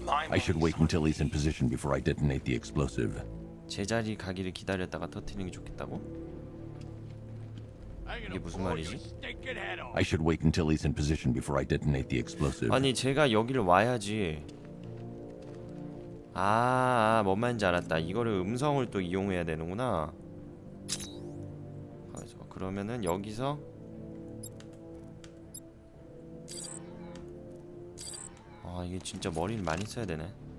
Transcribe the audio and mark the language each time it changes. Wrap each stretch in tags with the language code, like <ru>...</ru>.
<en>I should wait until he's in position before I detonate the explosive.</en> <ko>제자리 가기를 기다렸다가 터뜨리는 게 좋겠다고? 이게 무슨 말이지?</ko> <en>I should wait until he's in position before I detonate the explosive.</en> <ko>아니, 제가 여기를 와야지. 아, 뭔 말인지 알았다. 이거를 음성을 또 이용해야 되는구나. 그러면은 여기서 아, 이게 진짜 머리를 많이 써야 되네.</ko>